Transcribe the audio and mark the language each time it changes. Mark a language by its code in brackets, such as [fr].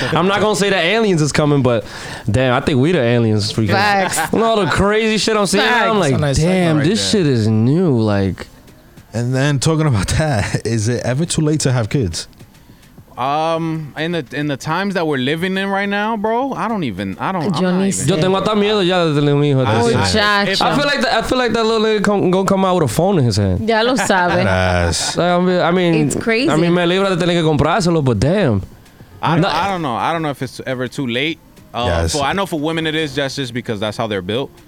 [en] I'm not going to say that aliens is coming, but damn, I think we the aliens. Facts. All the crazy shit I'm seeing. Facts. I'm like, nice damn, right this there. Shit is new. Like, and then talking about that, is it ever too late to have kids? In the times that we're living in right now, bro, [es] yo tengo hasta miedo ya de tener un hijo. [en] I feel like that little nigga gonna come out with a phone in his hand. [es] Ya lo sabe. [en] It's crazy. I mean, [es] me libra de tener que comprárselo, [en] but damn. I don't know. I don't know if it's ever too late. I know for women it is just because that's how they're built.